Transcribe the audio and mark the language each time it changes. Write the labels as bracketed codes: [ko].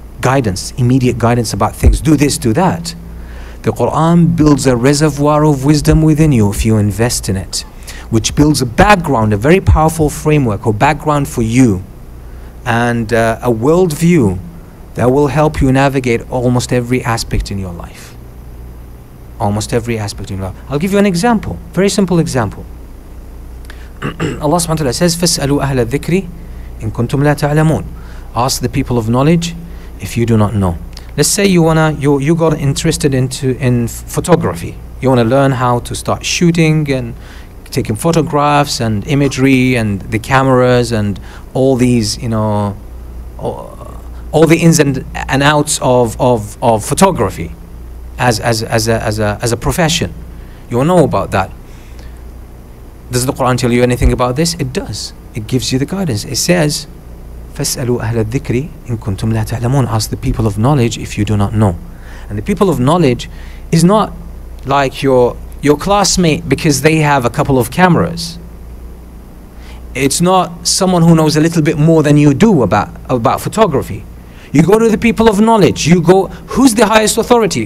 [en] guidance, immediate guidance about things. Do this, do that. The Qur'an builds a reservoir of wisdom within you if you invest in it, which builds a background, a very powerful framework or background for you, and a worldview that will help you navigate almost every aspect in your life. Almost every aspect in your life. I'll give you an example, very simple example. Allah subhanahu wa ta'ala says, [ar] فَاسْأَلُوا أَهْلَ الذِّكْرِ إِن كُنْتُمْ لَا تَعْلَمُونَ. [en] Ask the people of knowledge if you do not know. Let's say you got interested in photography. You want to learn how to start shooting and taking photographs and imagery and the cameras and all these, you know, all the ins and outs of photography as a profession. You want to know about that. Does the Quran tell you anything about this? It does. It gives you the guidance. It says, [ar] فَاسْأَلُوا أَهْلَ الذِّكْرِ إِن كُنْتُمْ لَا تَعْلَمُونَ. [en] Ask the people of knowledge if you do not know. And the people of knowledge is not like your classmate because they have a couple of cameras. It's not someone who knows a little bit more than you do about photography. You go to the people of knowledge. You go, who's the highest authority?